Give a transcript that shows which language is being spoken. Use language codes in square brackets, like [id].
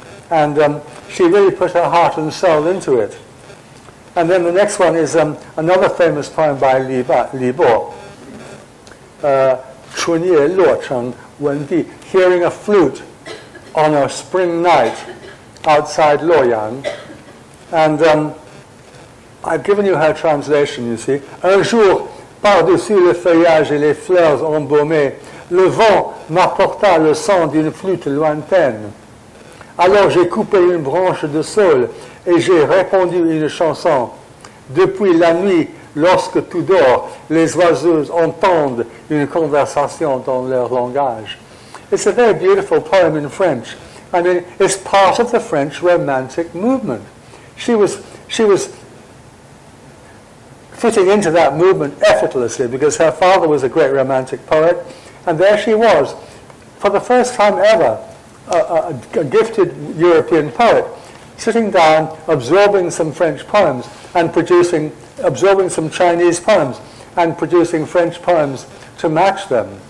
[en] And she really put her heart and soul into it. And then the next one is another famous poem by Li Bo. Chun Ye Luo Cheng Wen Di, hearing a flute on a spring night outside Luoyang. And I've given you her translation, you see. [fr] Un jour, par-dessus le feuillage et les fleurs embaumées, le vent m'apporta le son d'une flûte lointaine. Alors j'ai coupé une branche de saule et j'ai répondu une chanson. Depuis la nuit, lorsque tout dort, les oiseaux entendent une conversation dans leur langage. [en] It's a very beautiful poem in French. I mean, it's part of the French Romantic movement. She was fitting into that movement effortlessly, because her father was a great Romantic poet, and there she was, for the first time ever, a gifted European poet, sitting down, absorbing some French poems and absorbing some Chinese poems and producing French poems to match them.